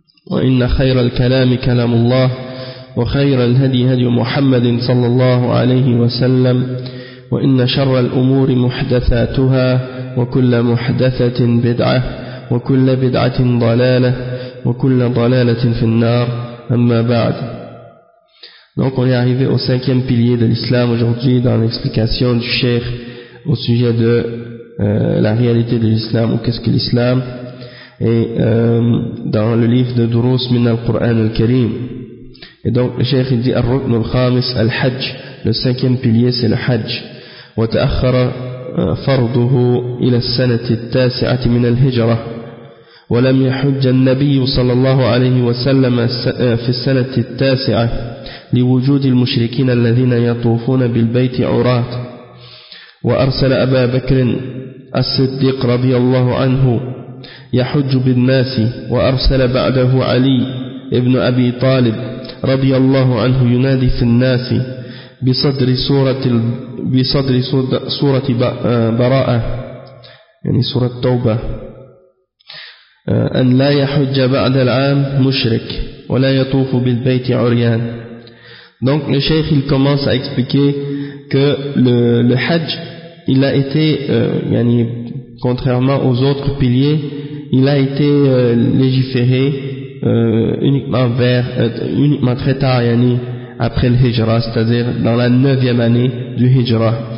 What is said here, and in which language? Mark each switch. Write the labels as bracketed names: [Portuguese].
[Arabic] وإن خير الكلام كلام الله، وخير الهدي هدي محمد صلى الله عليه وسلم، وإن شر الأمور محدثاتها، وكل محدثة بدعة، وكل بدعة ضلالة، وكل ضلالة في النار، أما بعد. [French] Donc on est arrivé au cinquième pilier de l'islam aujourd'hui dans l'explication du cheikh au sujet de la réalité de l'islam, ou qu'est-ce que l'islam, et dans le livre de Durus min al-Qur'an al-Karim. Et donc le cheikh dit [Arabic] ar-rukn al-khamis al-hajj, [French] le cinquième pilier c'est le hajj. [Arabic] وتأخر فرضه إلى السنة التاسعة من الهجرة، ولم يحج النبي صلى الله عليه وسلم في السنة التاسعة لوجود المشركين الذين يطوفون بالبيت عراة. وأرسل أبا بكر الصديق رضي الله عنه يحج بالناس، وأرسل بعده علي ابن أبي طالب رضي الله عنه ينادي في الناس بصدر سورة براءة، يعني سورة التوبة، أن لا يحج بعد العام مشرك ولا يطوف بالبيت عريان. [French] Donc le cheikh il commence à expliquer que le hajj il a été yani, contrairement aux autres piliers il a été légiféré uniquement très tard, yani après le hijra, c'est-à-dire dans la 9e année du hijra.